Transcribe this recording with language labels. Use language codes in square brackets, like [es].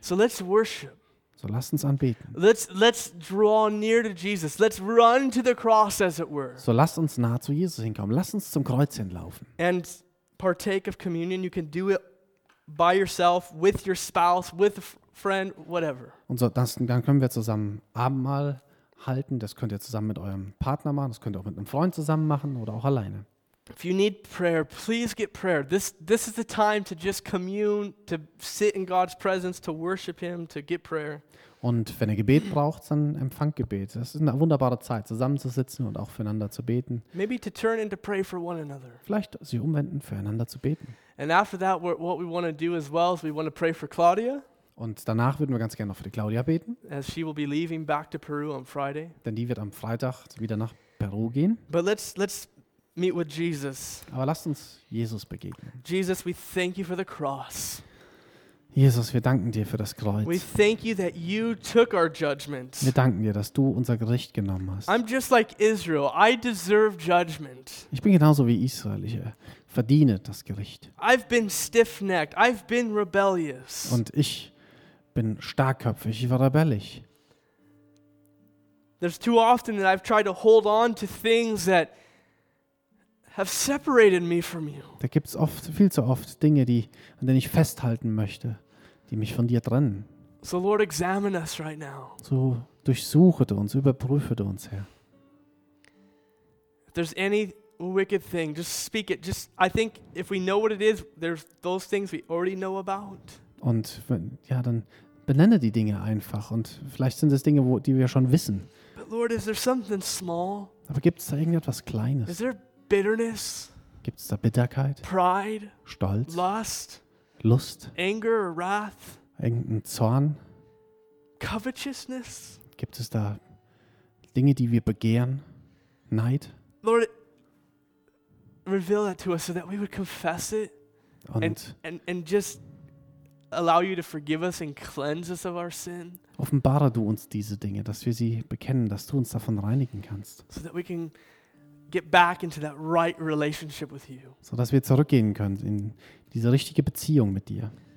[en] So let's worship. [de] So lasst uns anbeten. [en] Let's draw near to Jesus. Let's run to the cross, as it were. [de] So lasst uns nah zu Jesus hinkommen. Lasst uns zum Kreuz hinlaufen. [en] And partake of communion. You can do it by yourself, with your spouse, with a friend, whatever. [de] Und so, dann können wir zusammen Abendmahl halten. Das könnt ihr zusammen mit eurem Partner machen. Das könnt ihr auch mit einem Freund zusammen machen oder auch alleine. [en] If you need prayer, please get prayer. This is the time to just commune, to sit in God's presence, to worship him, to get prayer. [de] Und wenn ihr Gebet braucht, dann empfangt Gebet. Das ist eine wunderbare Zeit, zusammenzusitzen und auch füreinander zu beten. [en] Maybe to turn and to pray for one another. [de] Vielleicht sich umwenden, füreinander zu beten. [en] And after that, what we want to do as well is we want to pray for Claudia. [de] Und danach würden wir ganz gerne noch für die Claudia beten. [en] As she will be leaving back to Peru on Friday. [de] Denn die wird am Freitag wieder nach Peru gehen. [en] But let's meet with Jesus. [de] Aber lasst uns Jesus begegnen. [en] Jesus, we thank you for the cross. [de] Jesus, wir danken dir für das Kreuz. [en] We thank you that you took our judgment. [de] Wir danken dir, dass du unser Gericht genommen hast. [en] I'm just like Israel. I deserve judgment. [de] Ich bin genauso wie Israel. Ich verdiene das Gericht. [en] I've been stiff-necked. I've been rebellious. [de] Und ich bin starkköpfig. Ich war rebellisch. [en] There's too often that I've tried to hold on to things that have separated me from you. [de] Da gibt's oft, viel zu oft Dinge, die, an denen ich festhalten möchte, die mich von dir trennen. [en] So Lord, examine us right now. [de] So durchsuche du uns, überprüfe du uns, Herr. [en] If there's any wicked thing, just speak it. Just I think if we know what it is, there's those things we already know about. [de] Und wenn, ja, dann benenne die Dinge einfach und vielleicht sind es Dinge, wo, die wir schon wissen. [en] But Lord, is there something small? [de] Aber gibt's da irgendetwas Kleines? [en] Is there bitterness? [de] Gibt's da Bitterkeit? [en] Pride? [de] Stolz? [en] Lust? [de] Lust? [en] Anger or wrath? [de] Irgendein Zorn? [en] Covetousness? [de] Gibt es da Dinge, die wir begehren? Neid? [en] Lord, reveal that to us so that we would confess it and just allow you to forgive us and cleanse us of our sin. [de] Offenbare du uns diese Dinge, dass wir sie bekennen, dass du uns davon reinigen kannst. [en] So that we can get back into that right relationship with you. [de] So dass wir zurückgehen können in diese richtige Beziehung mit dir.